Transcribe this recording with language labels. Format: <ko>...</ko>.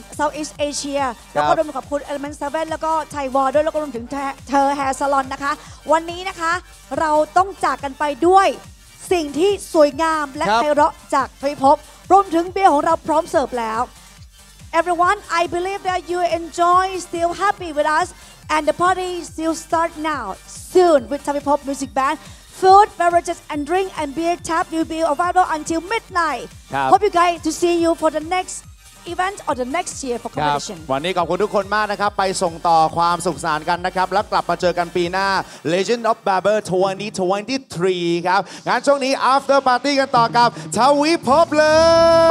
<th>South East Asia แล้วก็รวมขอบคุณ Element 7แล้วก็ไทยวอลด้วยแล้วก็รวมถึงเธอแฮร์สลอนนะคะวันนี้นะคะเราต้องจากกันไปด้วยสิ่งที่สวยงามและไพเราะจากทวิภพรวมถึงเบียร์ของเราพร้อมเสิร์ฟแล้ว</th> <en>Everyone I believe that you enjoy still happy with usAnd the party still start now, soon, with Tommy Pop Music Band. Food, beverages, and drink, and beer tap will be available until midnight. Hope you guys to see you for the next event or the next year for competition.</en> <th>วันนี้ขอบคุณทุกคนมากนะครับไปส่งต่อความสุขสันต์กันนะครับแล้วกลับมาเจอกันปีหน้า Legend of Barber 2023 ครับงานช่วงนี้ After Party กันต่อกับTommy Pop เลย</th>